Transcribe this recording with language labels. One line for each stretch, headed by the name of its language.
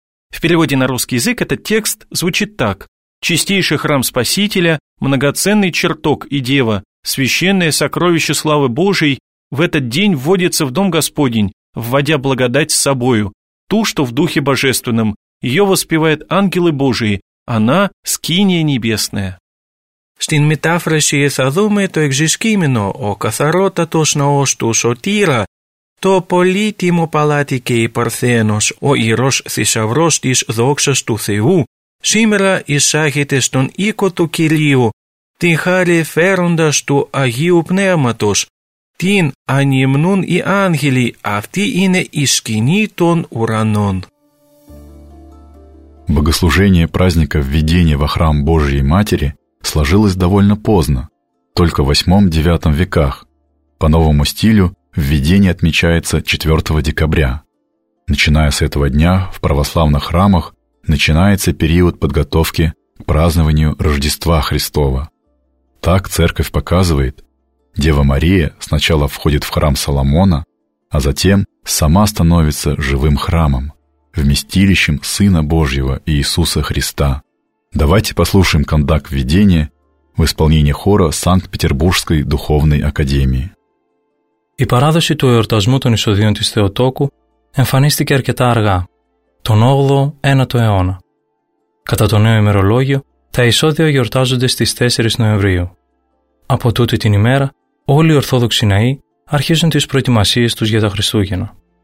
Russian: В переводе на русский язык этот текст звучит так. Чистейший храм Спасителя, многоценный чертог и дева, священное сокровище славы Божией, в этот день вводится в дом Господень, вводя благодать с собою, ту, что в Духе Божественном. Ее воспевают ангелы Божии, она – скиния небесная.
Greek: Στην μετάφραση θα δούμε το εξής κείμενο, ο καθαρότατος ναός του Σωτήρα, το πολύτιμο παλάτι και η Παρθένος, ο ιερός θησαυρός της δόξας του Θεού, σήμερα εισάγεται στον οίκο του Κυρίου, την χάρη φέροντας του Αγίου Πνεύματος, την ανυμνούν οι άγγελοι, αυτή είναι η σκηνή των ουρανών.
Russian: Богослужение праздника введения во храм Божией Матери сложилось довольно поздно, только в 8-9 веках. По новому стилю введение отмечается 4 декабря. Начиная с этого дня в православных храмах начинается период подготовки к празднованию Рождества Христова. Так Церковь показывает, Дева Мария сначала входит в храм Соломона, а затем сама становится живым храмом, вместилищем Сына Божьего Иисуса Христа. Давайте послушаем кандак введения в исполнении хора Санкт-Петербургской духовной академии.
Greek: Η παράδοση του εορτασμού των εισοδίων της Θεοτόκου εμφανίστηκε αρκετά αργά, τον 8ο-9ο αιώνα. Κατά το νέο ημερολόγιο, τα εισόδια γιορτάζονται στις 4 Νοεμβρίου. Από τούτη την ημέρα, όλοι οι Ορθόδοξοι ναοί αρχίζουν τις προετοιμασίες τους για τα Χριστούγεννα.